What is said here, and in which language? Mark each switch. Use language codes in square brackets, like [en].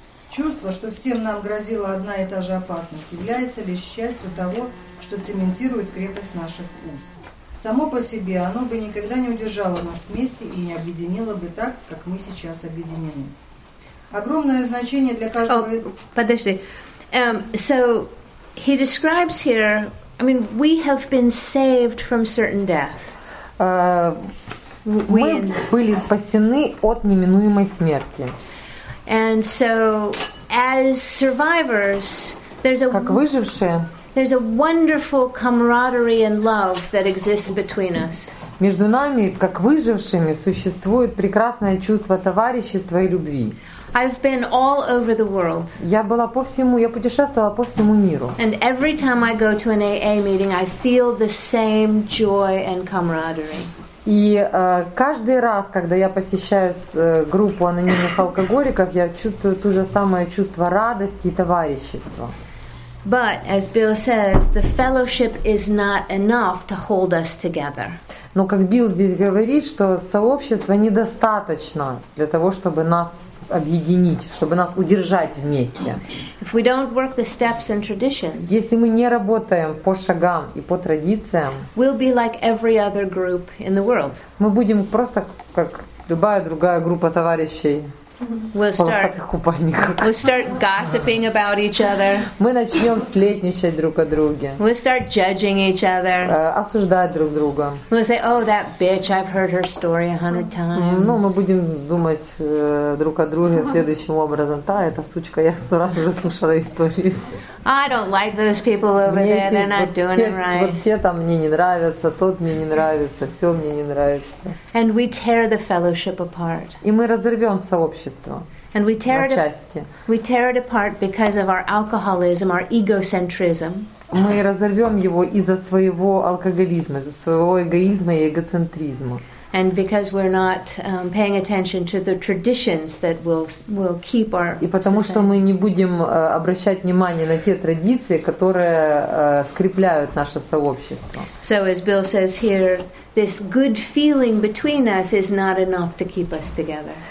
[ru] Чувство, что всем нам грозила одна и та же опасность, является лишь счастью того, что цементирует крепость наших уз. Само по себе оно бы никогда не удержало нас вместе и не объединило бы так, как мы сейчас объединены. Огромное значение для каждого... Подожди. [en] So... He describes here I mean, we have been saved from certain death. [ru] Мы были спасены от неминуемой смерти. [en] And so, as survivors, there's a [ru] как выжившие. [en] There's a wonderful camaraderie and love that exists between us. [ru] Между нами, как выжившими, существует прекрасное чувство товарищества и любви. [en] I've been all over the world. [ru] Я была по всему, я путешествовала по всему миру. [en] And every time I go to an AA meeting, I feel the same joy and camaraderie. [ru] И каждый раз, когда я посещаю группу анонимных алкоголиков, я чувствую то же самое чувство радости и товарищества. [en] But as Bill says, the fellowship is not enough to hold us together. [ru] Но как Билл здесь говорит, что сообщество недостаточно для того, чтобы нас объединить, чтобы нас удержать вместе. [en] If we don't work the steps and traditions, [ru] если мы не работаем по шагам и по традициям, [en] we'll be like every other group in the world. [ru] Мы будем просто как любая другая группа товарищей. [en] We'll start gossiping about each other. [ru] Мы начнем сплетничать друг о друге. [en] We'll start judging each other. [ru] Осуждать друг друга. [en] We'll say, oh, that bitch, I've heard her story 100 times. [ru] Ну, мы будем думать друг о друге следующим образом. Та, эта сучка, я 100 раз уже слушала историю. [en] I don't like those people over there. They're not doing it right. [ru] Вот те там мне не нравятся, тот мне не нравится, все мне не нравится. [en] And we tear the fellowship apart. [ru] И мы разорвем сообщество. [en] And we tear it apart because of our alcoholism, our egocentrism. [ru] Мы разорвем его из-за своего алкоголизма, из-за своего эгоизма и эгоцентризма. [en] And because we're not paying attention to the traditions that will keep our [ru] и потому что мы не будем обращать внимание на те традиции, которые скрепляют наше сообщество. [en] So as Bill says here, this good feeling between us is not enough to keep us together.